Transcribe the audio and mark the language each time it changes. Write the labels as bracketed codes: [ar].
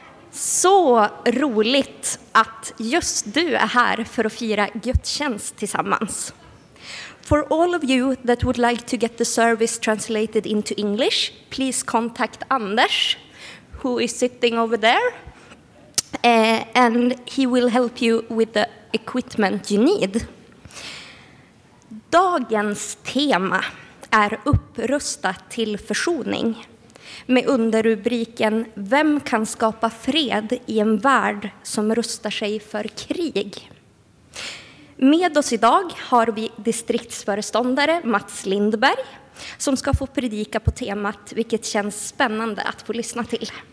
[sv] så roligt att just du är här för att fira gudstjänst tillsammans. [en] For all of you that would like to get the service translated into English, please contact Anders, who is sitting over there, and he will help you with the equipment you need. [sv] Dagens tema är upprusta till försoning, med underrubriken Vem kan skapa fred i en värld som rustar sig för krig? Med oss idag har vi distriktsföreståndare Mats Lindberg som ska få predika på temat, vilket känns spännande att få lyssna till.